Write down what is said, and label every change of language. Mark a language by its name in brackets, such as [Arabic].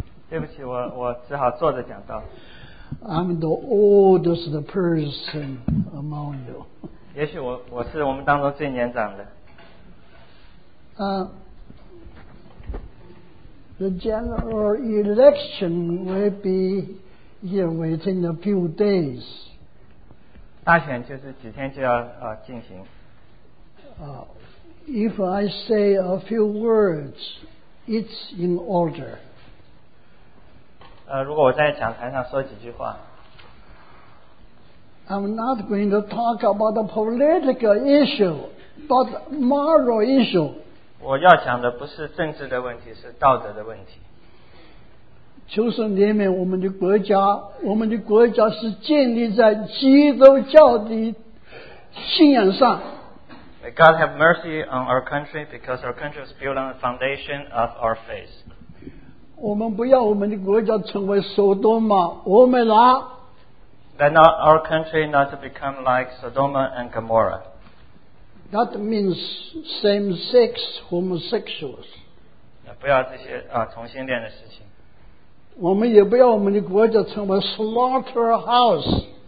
[Chinese] 对不起，我只好坐着讲道。 [English] I'm the oldest person among you. [Chinese] 也许我是我们当中最年长的。 [English] The general election will be here within a few days. [Chinese] 大选就是几天就要进行。 [English] If I say a few words, it's in order. [Chinese] 如果我在讲台上说几句话。 [English] I'm not going to talk about the political issue, but moral issue. [Chinese] 我要讲的不是政治的问题，是道德的问题。求神怜悯我们的国家，我们的国家是建立在基督教的信仰上。 [English] May God have mercy on our country because our country is built on the foundation of our faith. [Chinese] 我们不要我们的国家成为索多玛、俄美拉。 [English] Let not our country not to become like Sodoma and Gomorrah. That means same-sex homosexuals. [Chinese] 不要这些同性恋的事情。我们也不要我们的国家成为 slaughterhouse.